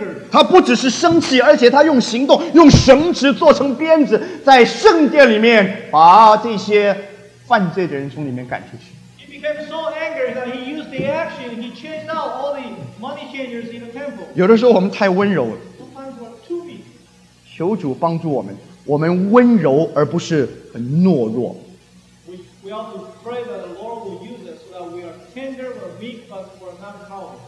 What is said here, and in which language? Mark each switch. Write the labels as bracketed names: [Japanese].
[Chinese] 他不只是生气，而且他用行动，用绳子做成鞭子，在圣殿里面把这些犯罪的人从里面赶出去。 [English] He became so angry that he used the action. He chased out all the money changers in the temple. [Chinese] 有的时候我们太温柔了。 [English] Sometimes we're too weak. [Chinese] 求主帮助我们，我们温柔而不是很懦弱。 [English] We ought to pray that the Lord will use us so that we are tender or weak, but we're not cowardly.